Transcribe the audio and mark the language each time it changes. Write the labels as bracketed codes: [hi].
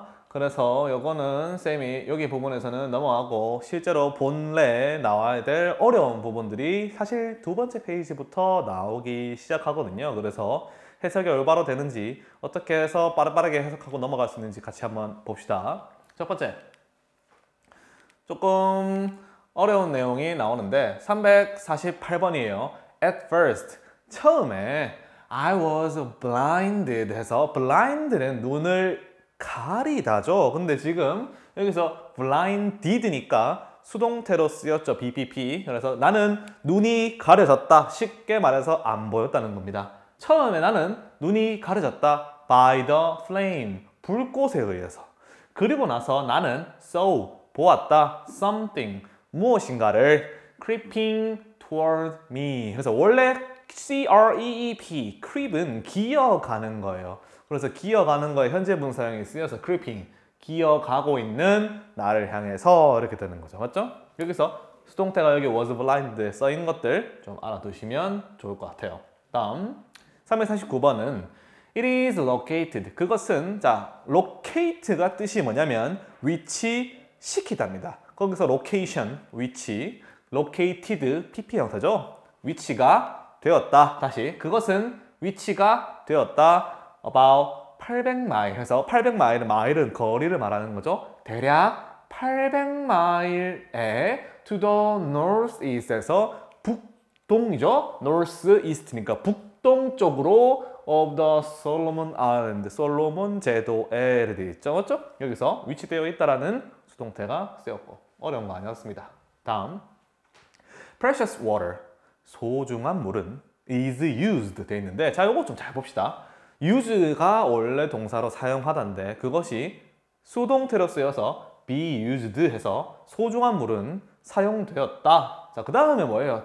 [ko] 그래서 이거는 쌤이 여기 부분에서는 넘어가고 실제로 본래 나와야 될 어려운 부분들이 사실 두 번째 페이지부터 나오기 시작하거든요. 그래서 해석이 올바로 되는지 어떻게 해서 빠르게 해석하고 넘어갈 수 있는지 같이 한번 봅시다. 첫 번째, 조금 어려운 내용이 나오는데 348번이에요. [en] At first, [ko] 처음에 [en] I was blinded [ko] 해서 blinded는 눈을 가리다죠. 근데 지금 여기서 blinded니까 수동태로 쓰였죠. BPP. 그래서 나는 눈이 가려졌다. 쉽게 말해서 안 보였다는 겁니다. 처음에 나는 눈이 가려졌다. [en] By the flame. [ko] 불꽃에 의해서. 그리고 나서 나는 saw, 보았다. [en] Something. [ko] 무엇인가를 [en] creeping toward me. [ko] 그래서 원래 creep, creep은 기어가는 거예요. 그래서 기어가는 거에 현재 분사형이 쓰여서 creeping, 기어가고 있는 나를 향해서 이렇게 되는 거죠. 맞죠? 여기서 수동태가 여기 was blind에 써있는 것들 좀 알아두시면 좋을 것 같아요. 다음 349번은 [en] it is located. [ko] 그것은, 자, locate가 뜻이 뭐냐면 위치 시키답니다. 거기서 location, 위치, located, PP 형태죠. 위치가 되었다. 다시, 그것은 위치가 되었다. About 800마일. 해서 800마일은, 마일은 거리를 말하는 거죠. 대략 800마일에 [en] to the northeast에서 [ko] 북동이죠. northeast니까 북동쪽으로 [en] of the Solomon Island, [ko] Solomon 제도에 되어 있죠. 맞죠? 여기서 위치되어 있다라는 수동태가 쓰였고, 어려운 거 아니었습니다. 다음, [en] precious water, [ko] 소중한 물은 [en] is used [ko] 돼 있는데, 자, 요거 좀 잘 봅시다. use가 원래 동사로 사용하던데 그것이 수동태로 쓰여서 be used 해서 소중한 물은 사용되었다. 자, 그 다음에 뭐예요?